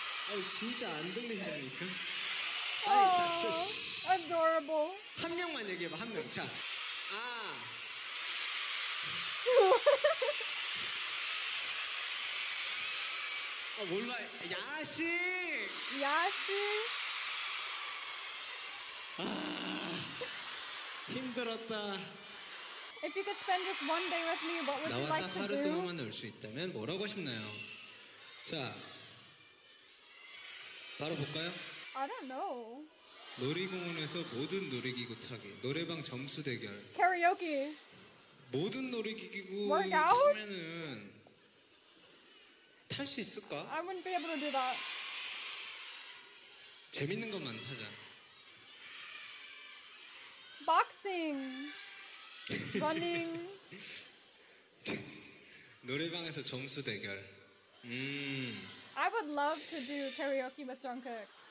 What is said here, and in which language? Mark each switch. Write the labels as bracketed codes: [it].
[ko] 아니 진짜 안 들린다니까. 아니, adorable. 한 명만 얘기해봐 한 명. 자, 아. 아 몰라. 야식. 야식. 아 힘들었다. [en] If you could spend just one day with me, what would you like to do? [ko] 나와 하루 동안만 놀 수 있다면 뭐라고 싶나요? 자, 바로 볼까요? [en] I don't know. [ko] 놀이공원에서 모든 놀이기구 타기, 노래방 점수 대결, [en] karaoke. [ko] 모든 놀이기구 타면은 탈 수 있을까? [en] I wouldn't be able to do that. [ko] 재밌는 것만 타자. [en] boxing. running. [ko] 노래방에서 점수 대결. [en] I would love to do karaoke with Jungkook.